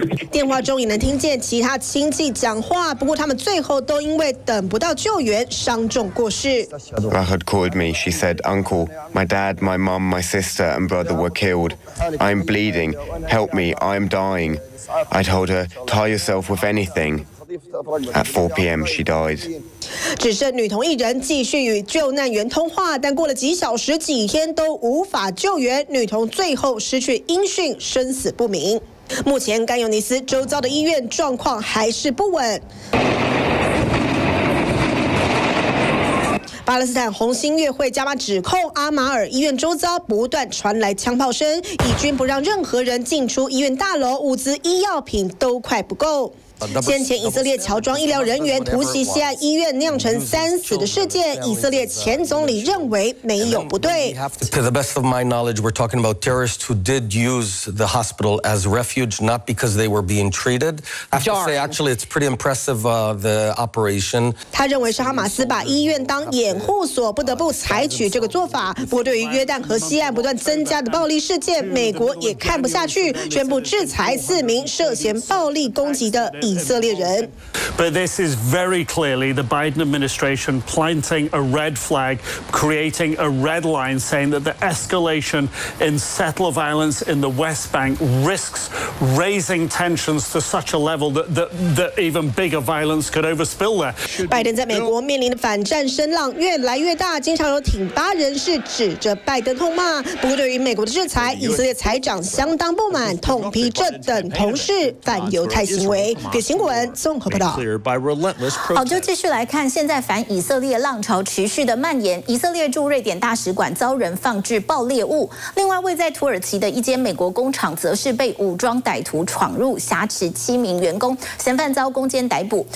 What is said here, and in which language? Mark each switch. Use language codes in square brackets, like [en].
[zh] 电话中也能听见其他亲戚讲话，不过他们最后都因为等不到救援，伤重过世。 [en] Rahat called me. She said, "Uncle, my dad, my mom, my sister, and brother were killed. I'm bleeding. Help me. I'm dying." I told her, "Tie yourself with anything." At 4 p.m., she died. [zh] 只剩女童一人继续与救难员通话，但过了几小时、几天都无法救援，女童最后失去音讯，生死不明。目前甘尤尼斯周遭的医院状况还是不稳。巴勒斯坦红新月会加码指控，阿马尔医院周遭不断传来枪炮声，以军不让任何人进出医院大楼，物资医药品都快不够。先前以色列乔装医疗人员突袭西岸医院酿成三死的事件，以色列前总理认为没有不对。 [en] To the best of my knowledge, we're talking about terrorists who did use the hospital as refuge, not because they were being treated. I have to say, actually, it's pretty impressive, the operation. [zh] 他认为是哈马斯把医院当掩护所，不得不采取这个做法。不过，对于约旦河西岸不断增加的暴力事件，美国也看不下去，宣布制裁4名涉嫌暴力攻击的以色列人。 [en] But this is very clearly the Biden administration planting a red flag, creating a red line, saying that the escalation in settler violence in the West Bank risks raising tensions to such a level that even bigger violence could overspill there. [zh] 拜登在美国面临的反战声浪越来越大，经常有挺巴人士指着拜登痛骂。不过，对于美国的制裁，以色列财长相当不满，痛批这等同是反犹太行为。给新闻综合报道。好，就继续来看，现在反以色列浪潮持续的蔓延，以色列驻瑞典大使馆遭人放置爆裂物，另外位在土耳其的一间美国工厂则是被武装歹徒闯入，挟持七名员工，嫌犯遭攻坚逮捕。